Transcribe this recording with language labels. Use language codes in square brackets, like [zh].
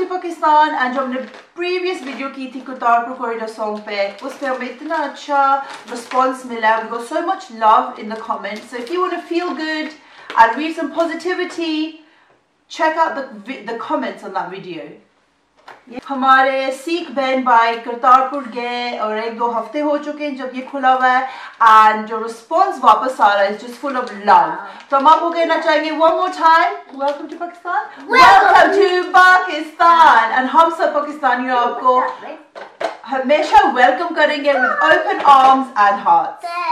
[hi] And जो हमने previous video की थी कुतारपुर corridor song पे, उसपे हमें इतना अच्छा response मिला. [en] We got so much love in the comments. So if you want to feel good and read some positivity, check out the comments on that video. [hi] हमारे सिख बहन भाई करतारपुर गए और एक दो हफ्ते हो चुके हैं जब ये खुला हुआ है एंड जो रिस्पांस वापस आ रहा है [en] Is just full of love. [hi] तो हम आपको कहना चाहेंगे [en] One more time welcome to Pakistan. Welcome to Pakistan. [hi] And हम सब पाकिस्तानियों आपको हमेशा वेलकम करेंगे [en] With open arms and heart.